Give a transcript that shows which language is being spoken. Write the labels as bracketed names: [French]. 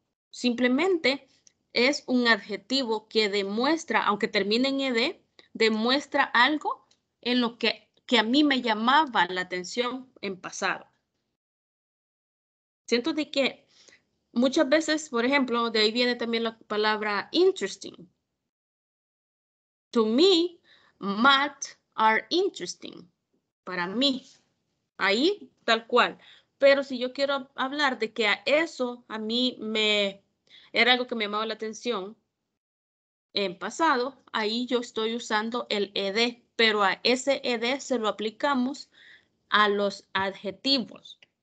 [Spanish] Simplemente es un adjetivo que demuestra, aunque termine en ed, demuestra algo en lo que a mí me llamaba la atención en pasado. Siento de que muchas veces, por ejemplo, de ahí viene también la palabra interesting. [English] To me, math are interesting. [Spanish] para mí. Ahí, tal cual. Pero si yo quiero hablar de que a eso a mí me era algo que me llamaba la atención en pasado, ahí yo estoy usando el ed, pero a ese ed se lo aplicamos a los adjetivos.